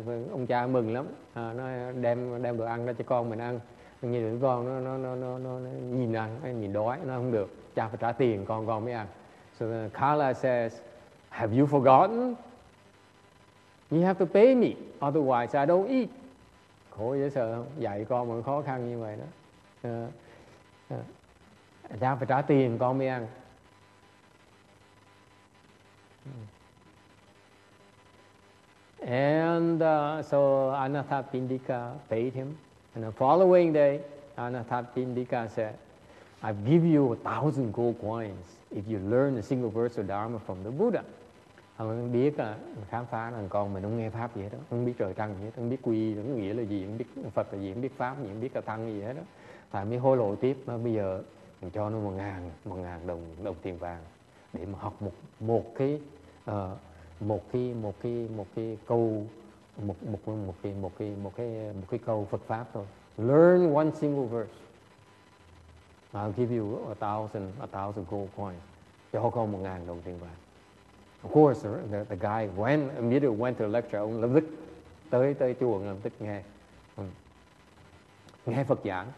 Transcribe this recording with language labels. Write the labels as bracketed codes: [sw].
[vi] Ông cha mừng lắm, nó đem đồ ăn ra cho con mình ăn. Nhìn đứa con nó nhìn ăn, nhìn đói, nó không được. Cha phải trả tiền, con mới ăn. [en] So Kala says, have you forgotten? You have to pay me, otherwise I don't eat. [vi] Khổ dễ sợ không? Dạy con mà khó khăn như vậy đó. Cha phải trả tiền con mới ăn. [en] And so Anatha Pindika paid him And the following day, Anathapindika said, I've given you 1,000 gold coins if you learn a single verse of Dharma from the Buddha. [vi] Ông biết là khám phá là con mình không nghe pháp gì hết đó, không biết trời trăng gì hết, không biết quy, không biết nghĩa là gì, không biết Phật là gì, không biết pháp gì, không biết cả tăng gì hết đó. Phải mới hối lộ tiếp, mà bây giờ mình cho nó một ngàn đồng tiền vàng để mà học một cái câu Phật pháp thôi. [en] Learn one single verse. I'll give you a thousand gold coins. [vi] Cho con 1,000 đồng tiền vàng. [en] Of course, the guy immediately went to the lecture. [vi] Ông lập tức tới chùa, lập tức nghe Phật giảng.